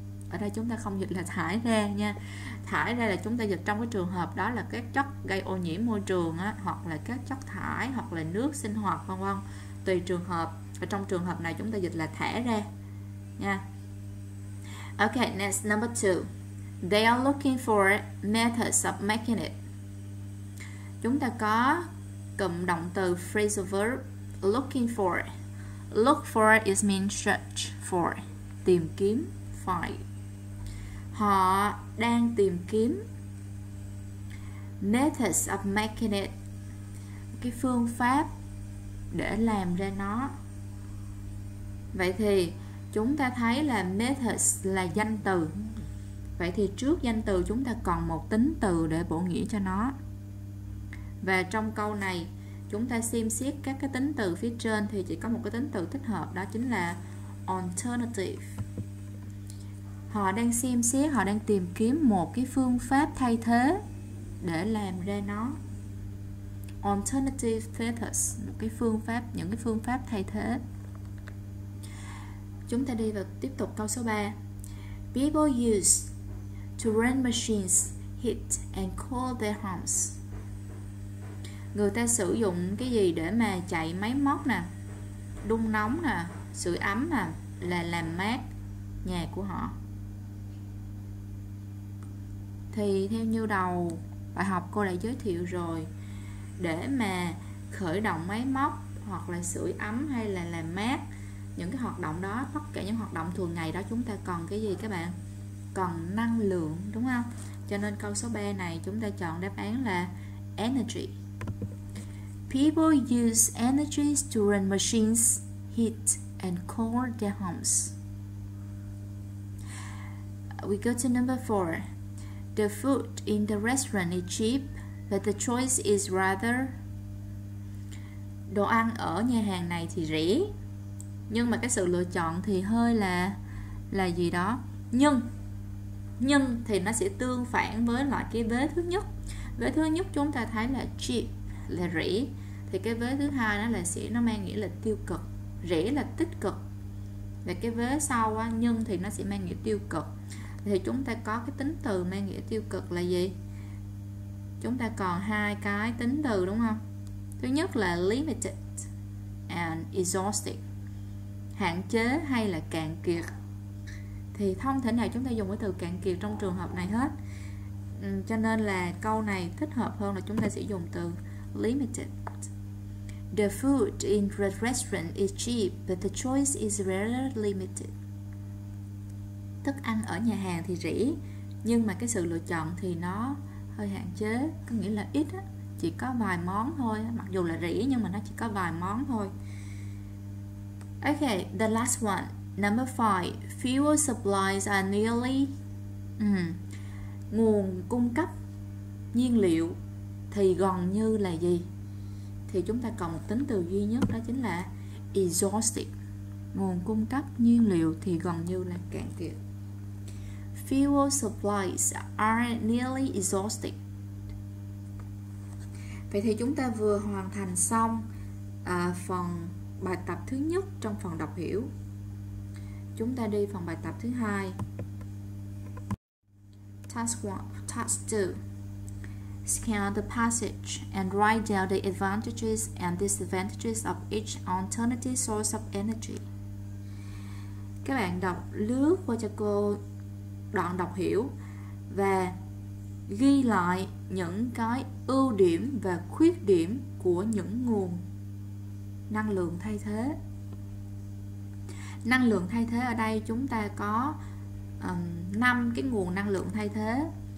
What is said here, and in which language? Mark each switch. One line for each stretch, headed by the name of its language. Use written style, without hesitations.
Vietnamese: Ở đây chúng ta không dịch là thải ra nha. Thải ra là chúng ta dịch trong cái trường hợp đó là các chất gây ô nhiễm môi trường á, hoặc là các chất thải, hoặc là nước sinh hoạt vân vân. Tùy trường hợp. Ở trong trường hợp này chúng ta dịch là thả ra nha.
English: Okay, next number 2. They are looking for methods of making it.
Vietnamese: Chúng ta có cụm động từ phrasal verb looking for.
English: Look for is mean search for,
Vietnamese: tìm kiếm,
English: find.
Vietnamese: Họ đang tìm kiếm
English: methods of making it,
Vietnamese: cái phương pháp để làm ra nó. Vậy thì chúng ta thấy là methods là danh từ. Vậy thì trước danh từ chúng ta còn một tính từ để bổ nghĩa cho nó. Và trong câu này chúng ta xem xét các cái tính từ phía trên thì chỉ có một cái tính từ thích hợp, đó chính là alternative. Họ đang xem xét, họ đang tìm kiếm một cái phương pháp thay thế để làm ra nó.
English: Alternative methods,
Vietnamese: một cái phương pháp, những cái phương pháp thay thế. Chúng ta đi vào tiếp tục câu số 3.
English: People use to run machines, heat and cool their homes.
Vietnamese: Người ta sử dụng cái gì để mà chạy máy móc nè, đun nóng nè, sưởi ấm nè, là làm mát nhà của họ. Thì theo như đầu bài học cô đã giới thiệu rồi, để mà khởi động máy móc hoặc là sưởi ấm hay là làm mát, những cái hoạt động đó, tất cả những hoạt động thường ngày đó, chúng ta cần cái gì các bạn? Cần năng lượng, đúng không? Cho nên câu số 3 này chúng ta chọn đáp án là energy.
English: People use energy to run machines, heat and cool their homes. We go to number 4. The food in the restaurant is cheap, but the choice is rather.
Vietnamese: Đồ ăn ở nhà hàng này thì rẻ, nhưng mà cái sự lựa chọn thì hơi là gì đó. Nhưng thì nó sẽ tương phản với loại cái vế thứ nhất. Vế thứ nhất chúng ta thấy là cheap, là rẻ. Thì cái vế thứ hai nó là sẽ nó mang nghĩa là tiêu cực. Rẻ là tích cực. Và cái vế sau á, nhưng thì nó sẽ mang nghĩa tiêu cực. Thì chúng ta có cái tính từ mang nghĩa tiêu cực là gì? Chúng ta còn hai cái tính từ, đúng không? Thứ nhất là
English: limited and exhausted,
Vietnamese: hạn chế hay là cạn kiệt. Thì không thể nào chúng ta dùng cái từ cạn kiệt trong trường hợp này hết. Cho nên là câu này thích hợp hơn là chúng ta sẽ dùng từ limited.
English: The food in the restaurant is cheap, but the choice is rather limited.
Vietnamese: Thức ăn ở nhà hàng thì rẻ, nhưng mà cái sự lựa chọn thì nó hơi hạn chế, có nghĩa là ít á, chỉ có vài món thôi. Mặc dù là rẻ nhưng mà nó chỉ có vài món thôi.
English: Okay, the last one, number 5. Fuel supplies are nearly.
Vietnamese: Nguồn cung cấp nhiên liệu thì gần như là gì? Thì chúng ta còn một tính từ duy nhất, đó chính là exhausted. Nguồn cung cấp nhiên liệu thì gần như là cạn kiệt.
English: Fuel supplies are nearly exhausted.
Vietnamese: Vậy thì chúng ta vừa hoàn thành xong phần bài tập thứ nhất trong phần đọc hiểu. Chúng ta đi phần bài tập thứ hai.
English: Task 2. Scan the passage and write down the advantages and disadvantages of each alternative source of energy.
Vietnamese: Các bạn đọc lướt qua cho cô đoạn đọc hiểu và ghi lại những cái ưu điểm và khuyết điểm của những nguồn năng lượng thay thế. Năng lượng thay thế ở đây chúng ta có 5 cái nguồn năng lượng thay thế.